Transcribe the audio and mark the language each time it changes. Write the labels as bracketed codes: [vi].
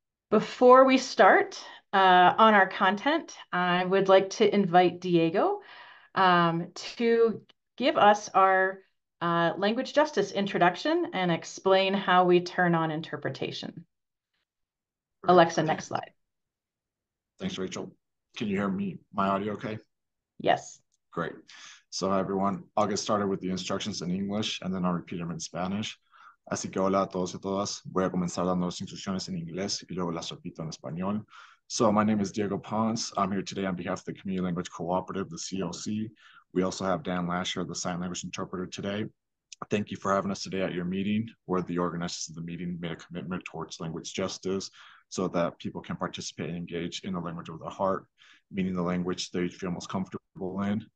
[en] Before we start on our content, I would like to invite Diego to give us our language justice introduction and explain how we turn on interpretation. All right, Alexa, next perfect. slide. Thanks, Rachel. Can you hear me? My audio okay? Yes. Great. So, everyone, I'll get started with the instructions in English and then I'll repeat them in Spanish. [es] Así que hola a todos y todas. Voy a comenzar dando las instrucciones en inglés y luego las repito en español. [en] So, my name is Diego Pons. I'm here today on behalf of the Community Language Cooperative, the CLC. We also have Dan Lasher, the sign language interpreter today. Thank you for having us today at your meeting, where the organizers of the meeting made a commitment towards language justice so that people can participate and engage in the language of their heart, meaning the language they feel most comfortable in.